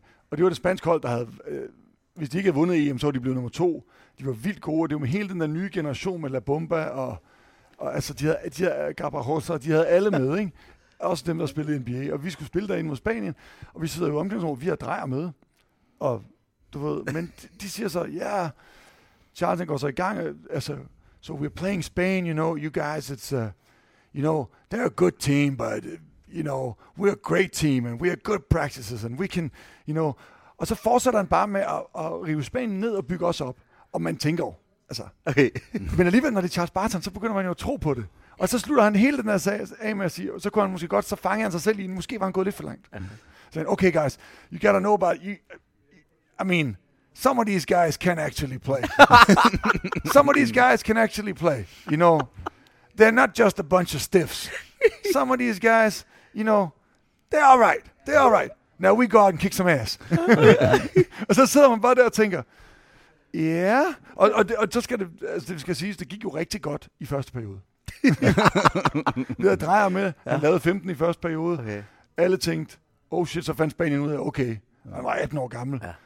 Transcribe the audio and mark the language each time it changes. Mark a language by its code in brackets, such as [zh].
[da] Og det var det spanske hold, der havde, hvis de ikke havde vundet EM, så var de blevet nummer 2. De var vildt gode, det var med hele den der nye generation med La Bomba, og altså de havde Gabarosa, de havde alle med, ikke? Også dem, der spillede NBA. Og vi skulle spille derinde mod Spanien. Og vi sidder jo omklædningsrummet, vi har Drejer med. Og du ved, men de siger så, ja, Charles går så i gang. [en] Altså, so we're playing Spain, you know, you guys, it's, you know, they're a good team, but, you know, we're a great team, and we have good practices, and we can, you know. [da] Og så fortsætter han bare med at rive Spanien ned og bygge os op. Og man tænker, Altså. Okay. Men alligevel, når det er Charles Barton, så begynder man jo at tro på det. Og så slutter han hele den her sag af med at sige, så kunne han måske godt, så fange han sig selv i den. Måske var han gået lidt for langt. Så han, [en] okay guys, you gotta know about, I mean, some of these guys can actually play. Some of these guys can actually play, you know. They're not just a bunch of stiffs. Some of these guys, you know, they're all right. They're all right. Now we go out and kick some ass. [da] Og så sidder man bare der og tænker, ja, yeah. og så skal det, altså det skal siges, det gik jo rigtig godt i første periode. Det der drejer med, ja. Han lavede 15 i første periode. Okay. Alle tænkte, oh shit, så fandt Spanien ud af, okay. Han var 18 år gammel, ja.